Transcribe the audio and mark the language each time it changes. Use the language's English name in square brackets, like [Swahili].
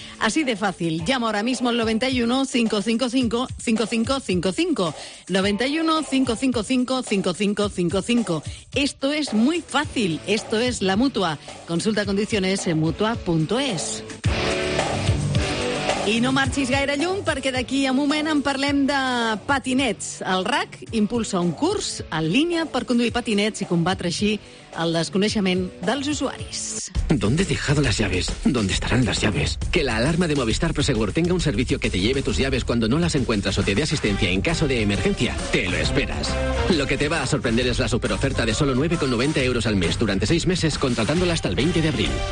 [Spanish] Así de fácil. Llama ahora mismo al 91-555-5555. 91-555-5555. Esto es muy fácil. Esto es la Mutua. Consulta condiciones en mutua.es. [Catalan] I no marxis gaire lluny, perquè d'aquí a un moment en parlem de patinets. El RAC impulsa un curs en línia per conduir patinets i combatre així el desconeixement dels usuaris. [Spanish] ¿Dónde he dejado las llaves? ¿Dónde estarán las llaves? Que la alarma de Movistar Prosegur tenga un servicio que te lleve tus llaves cuando no las encuentras o te dé asistencia en caso de emergencia, te lo esperas. Lo que te va a sorprender es la superoferta de solo 9,90 euros al mes durante 6 meses contratándola hasta el 20 de abril.